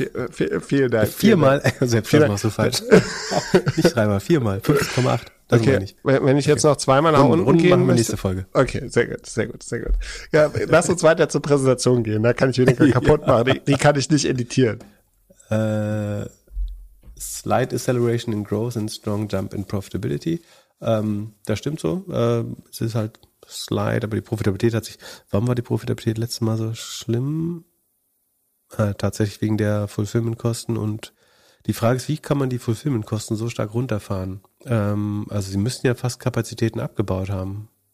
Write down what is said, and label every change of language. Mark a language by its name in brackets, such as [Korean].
[German] Vielen Dank. Viermal, selbst schon machst du falsch. Nicht dreimal, viermal. 5,8. Das okay. Wenn ich jetzt noch zweimal nach unten gehe. Machen wir nächste Folge. Okay, sehr gut. Ja, lass uns weiter zur Präsentation gehen. Da kann ich weniger kaputt machen. Die kann ich nicht editieren. [English] Slight acceleration in growth and strong jump in profitability. [German] Das stimmt so. Es ist halt slight, aber die Profitabilität hat sich. Warum war die Profitabilität letztes Mal so schlimm? Tatsächlich wegen der Fulfillment-Kosten. Und die Frage ist, wie kann man die Fulfillment-Kosten so stark runterfahren? Also sie müssen ja fast Kapazitäten abgebaut haben.